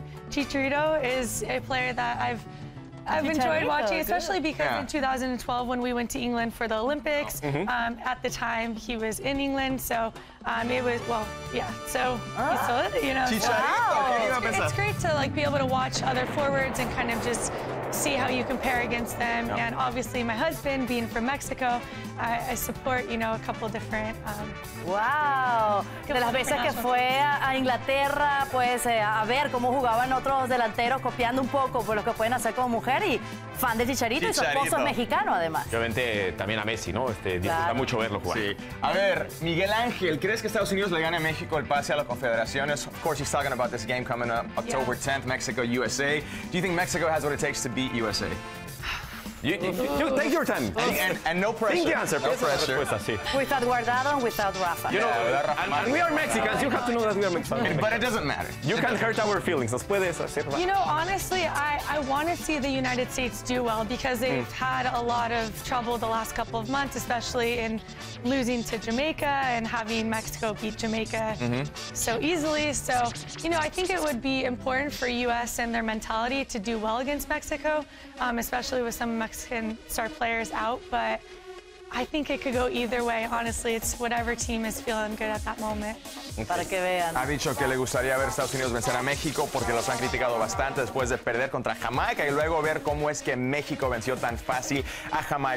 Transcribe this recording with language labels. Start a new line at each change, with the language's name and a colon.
English: Chicharito is a player that I've enjoyed watching, especially because in 2012 when we went to England for the Olympics, at the time he was in England, so it was, well, yeah, so he's still, you know. Chicharito! Wow. It's great to like be able to watch other forwards and kind of just see how you compare against them. Yep. And obviously my husband, being from Mexico, I support, you know, a couple different... Wow!
Spanish: De las veces que fue a Inglaterra, pues, a ver cómo jugaban otros delanteros, copiando un poco por lo que pueden hacer como mujer, y fan de Chicharito, y su esposo es mexicano, además. Obviamente, también a Messi, ¿no? Disfruta mucho verlo jugar. Sí. A ver, Miguel Ángel, ¿crees que Estados Unidos le gane a México el pase a las confederaciones?
English: Of course, he's talking about this game coming up, October 10th, Mexico-USA. Do you think Mexico has what it takes to beat USA? You take your time. And no pressure. Think the answer. No pressure. Without Guardado and without Rafa. You know, and we are Mexicans. You have to know that we are Mexicans. But it doesn't matter. You can't hurt our feelings. You know, honestly, I want to see the United States do well because they've had a lot of trouble the last couple of months, especially in losing to Jamaica and having Mexico beat Jamaica so easily. So, you know, I think it would be important for U.S. and their mentality to do well against Mexico, especially with some Mexican star players out, but I think it could go either way. Honestly, it's whatever team is feeling good at that moment.
Spanish: Para que vean. Ha dicho que le gustaría ver Estados Unidos vencer a México porque los han criticado bastante después de perder contra Jamaica y luego ver cómo es que México venció tan fácil a Jamaica.